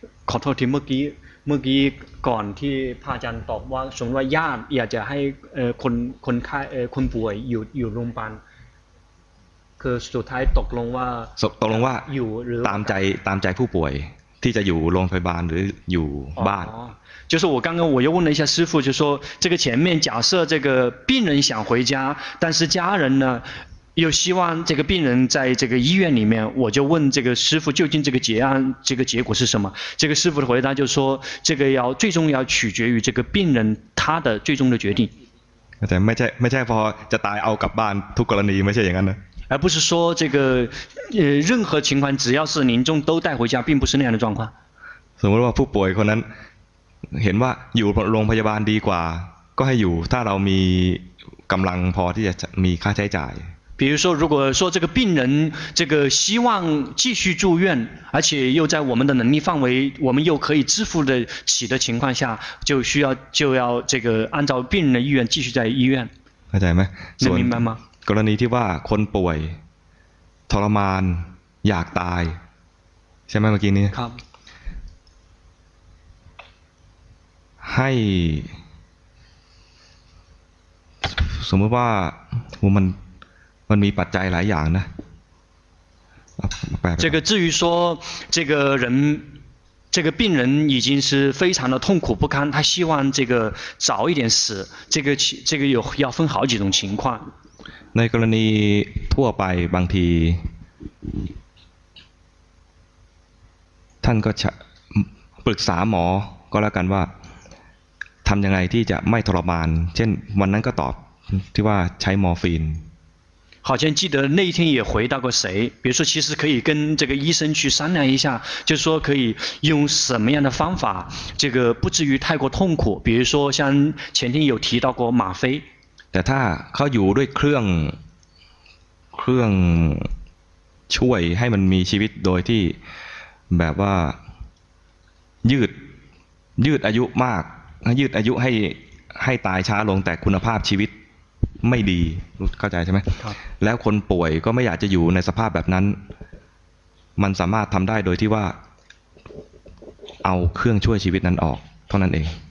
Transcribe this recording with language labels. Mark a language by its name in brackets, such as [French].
[Thai] ขอโทษทีเมื่อกี้ก่อนที่พระอาจารย์ตอบว่าสมมติว่าญาติอยากจะให้คนไข้คนป่วยอยู่โรงพยาบาลคือสุดท้ายตกลงว่าอยู่หรือ ตามใจผู้ป่วยที่จะอยู่โรงพยาบาลหรืออยู่บ้าน [Chinese] 就是我刚刚我又问了一下师父就说这个前面假设这个病人想回家但是家人呢又希望这个病人在这个医院里面我就问这个师父究竟这个结果是什么这个师父的回答就说这个要最终要取决于这个病人他的最终的决定而不是说这个任何情况只要是临终都带回家并不是那样的状况 [Thai] สมมติว่าผู้ป่วยคนนั้นเห็นว่าอยู่โรงพยาบาลดีกว่าก็ให้อยู่ถ้าเรามี กำลังพอที่จะมีค่าใช้จ่าย [Chinese] 比如说如果说这个病人这个希望继续住院而且又在我们的能力范围我们又可以支付得起的情况下就需要就要这个按照病人的意愿继续在医院 [Thai] เข้าใจไหม [Chinese] 能明白吗 [Thai] กรณีที่ว่าคนป่วยทรมานอยากตายใช่ไหมเมื่อกี้นี้ ครับ ให้สมมติว่าโหมันมีปัจจัยหลายอย่างนะ [Chinese] 这个至于说这个人这个病人已经是非常的痛苦不堪他希望这个早一点死这个有要分好几种情况 [Thai] ในกรณีทั่วไปบางทีท่านก็ปรึกษาหมอก็แล้วกันว่าทำยังไงที่จะไม่ทรมานเช่นวันนั้นก็ตอบที่ว่าใช้มอร์ฟีน [Chinese] 好像记得那一天也回答过谁比如说其实可以跟这个医生去商量一下就是说可以用什么样的方法这个不至于太过痛苦比如说像前天有提到过吗啡 [Thai] แต่ถ้าเขาอยู่ด้วยเครื่องช่วยให้มันมีชีวิตโดยที่แบบว่ายืดอายุมากยืดอายุให้ตายช้าลงแต่คุณภาพชีวิตไม่ดีเข้าใจใช่ไหมแล้วคนป่วยก็ไม่อยากจะอยู่ในสภาพแบบนั้นมันสามารถทำได้โดยที่ว่าเอาเครื่องช่วยชีวิตนั้นออกเท่านั้นเอง